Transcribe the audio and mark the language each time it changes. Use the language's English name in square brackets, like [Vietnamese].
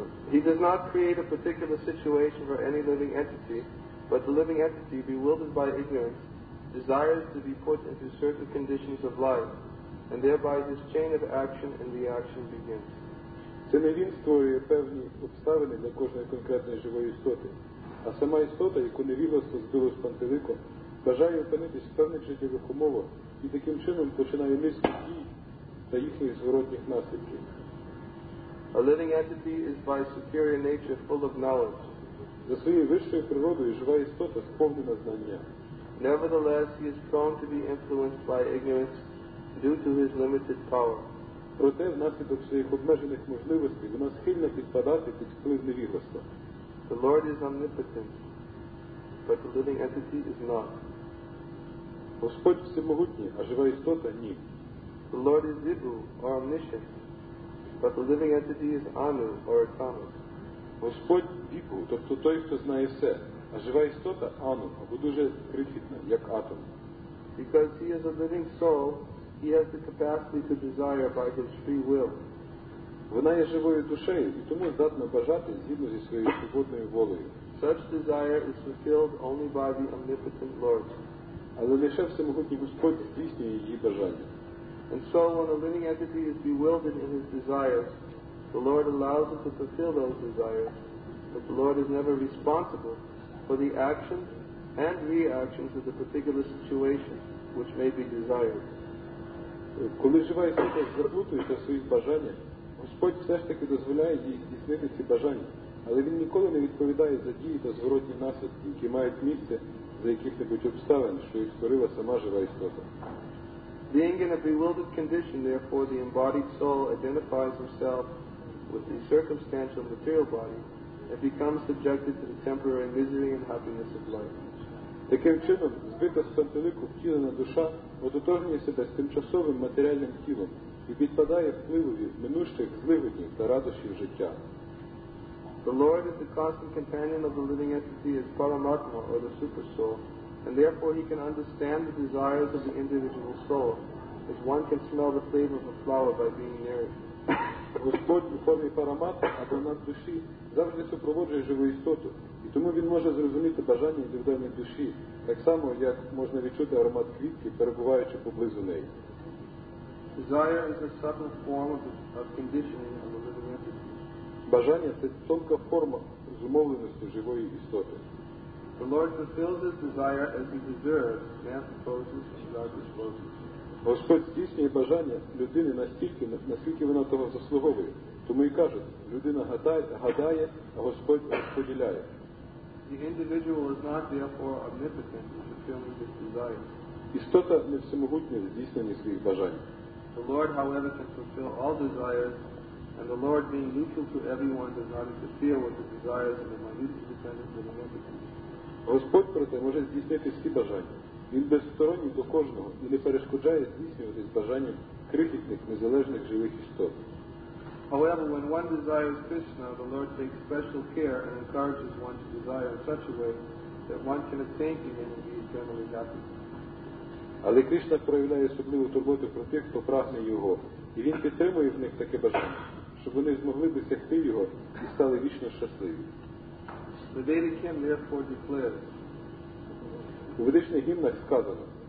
[English] He does not create a particular situation for any living entity, but the living entity, bewildered by ignorance, desires to be put into certain conditions of life, and thereby this chain of action and reaction begins. [Ukrainian] Це не він створює певні обставини для кожної конкретної живої істоти, а сама істота, яку невігластво збило з пантелику, бажає опинитись в певних життєвих умовах і таким чином починає низку дій та їхніх зворотних наслідків. [English] A living entity is by superior nature full of knowledge. [Ukrainian] За своєю вищою природою жива істота сповнена знання. [English] Nevertheless, he is prone to be influenced by ignorance due to his limited power. [Ukrainian] Проте, внаслідок своїх обмежених можливостей, вона схильна підпадати під вплив невігластва. [English] The Lord is omnipotent, but the living entity is not. [Ukrainian] Господь всемогутній, а жива істота – ні. [English] The Lord is Vibhu, or omniscient. But the living entity is Anu, or atomic. [Ukrainian] Господь Vibhu, тобто той, хто знає все, а жива істота Anu, або дуже крихітна, як атом. [English] Because he is a living soul, he has the capacity to desire by his free will. [Ukrainian] Вона є живою душею, і тому здатна бажати згідно зі своєю свободною волею. [English] Such desire is fulfilled only by the omnipotent Lord. [Ukrainian] Але лише всемогутній Господь здійснює її бажання. [English] And so when a living entity is bewildered in his desires, the Lord allows it to fulfill those desires, but the Lord is never responsible for the actions and reactions of the particular situation which may be desired. [Ukrainian] Коли жива істота заплутується в своїх бажаннях, Господь все ж таки дозволяє їй здійснити ці бажання, але він ніколи не відповідає за дії та зворотні наслідки, які мають місце за яких-небудь обставин, що їх створила сама жива істота. [English] Being in a bewildered condition, therefore, the embodied soul identifies himself with the circumstantial material body and becomes subjected to the temporary misery and happiness of life. [Ukrainian] Таким чином, збита з пантелику втілена душа ототожнює себе з тимчасовим матеріальним тілом і підпадає впливові минущих зливодів та радощів життя. [English] The Lord is the constant companion of the living entity as Paramatma, or the Supersoul, and therefore he can understand the desires of the individual soul, as one can smell the flavor of a flower by being near it. [Ukrainian] Господь у формі Параматма, або над душі, завжди супроводжує живу істоту, і тому він може зрозуміти бажання індивідуальної душі, так само, як можна відчути аромат квітки, перебуваючи поблизу неї. [English] Desire is a subtle form of conditioning of the living entity. [Ukrainian] Бажання – це тонка форма зумовленості живої істоти. [English] The Lord fulfills his desire as he deserves, man proposes and God disposes. [Ukrainian] Господь здійснює бажання людини настільки, наскільки вона того заслуговує. Тому і каже, людина гадає, а Господь розподіляє. [English] The individual is not therefore omnipotent in fulfilling his desire. [Ukrainian] Істота не всемогутня в здійсненні своїх бажань. [English] The Lord, however, can fulfill all desires, and the Lord, being neutral to everyone, does not interfere with the desires of the minute dependent of the omnipotent. [Ukrainian] Господь, проте, може здійснити всі бажання. Він безсторонній до кожного і не перешкоджає здійснюватись бажанням крихітних, незалежних живих істот. [English] However, when one desires Krishna, the Lord takes special care and encourages one to desire in such a way that one can attain to him and be eternally happy. [Ukrainian] Але Кришна проявляє особливу турботу про тих, хто прагне Його, і Він підтримує в них таке бажання, щоб вони змогли досягти Його і стали вічно щасливі. [English] The Vedic hymn therefore declares, [Ukrainian] У ведичних гімнах сказано: